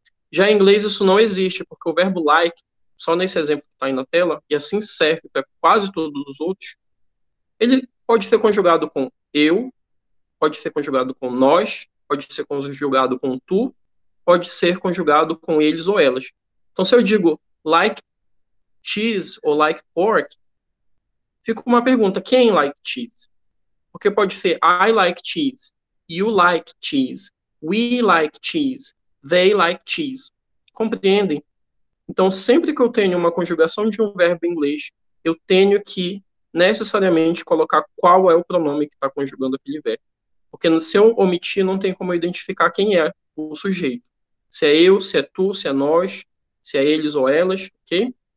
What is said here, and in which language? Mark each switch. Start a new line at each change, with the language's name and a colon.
Portuguese: Já em inglês isso não existe, porque o verbo like, só nesse exemplo que está aí na tela, e assim serve para quase todos os outros, ele pode ser conjugado com eu, pode ser conjugado com nós, pode ser conjugado com tu, pode ser conjugado com eles ou elas. Então, se eu digo
English: like cheese
Portuguese: ou
English: like pork,
Portuguese: fica uma pergunta, quem like cheese? Porque pode ser
English: I like cheese, you like cheese, we like cheese, they like cheese.
Portuguese: Compreendem? Então, sempre que eu tenho uma conjugação de um verbo em inglês, eu tenho que necessariamente colocar qual é o pronome que está conjugando aquele verbo. Porque se eu omitir, não tem como eu identificar quem é o sujeito. Se é eu, se é tu, se é nós, se é eles ou elas, ok?